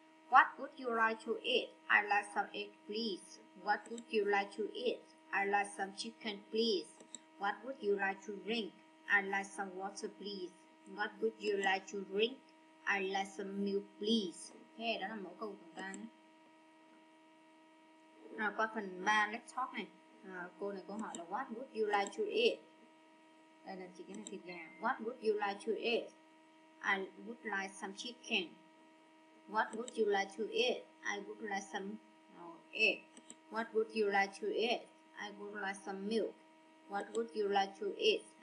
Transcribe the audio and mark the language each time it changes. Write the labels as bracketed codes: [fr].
[en] What would you like to eat? I'd like some egg, please. What would you like to eat? I'd like some chicken, please. What would you like to drink? I'd like some water, please. What would you like to drink? I'd like some milk, please. [vi] Thế đó là mẫu câu của ta nhé. Rồi qua phần 3 [en] let's talk [vi] này. Cô này có hỏi là [en] what would you like to eat? [vi] Đây là chicken hay thịt gà. [en] What would you like to eat? I would like some chicken. What would you like to eat? I would like some egg. What would you like to eat? I would like some milk. What would you like to eat?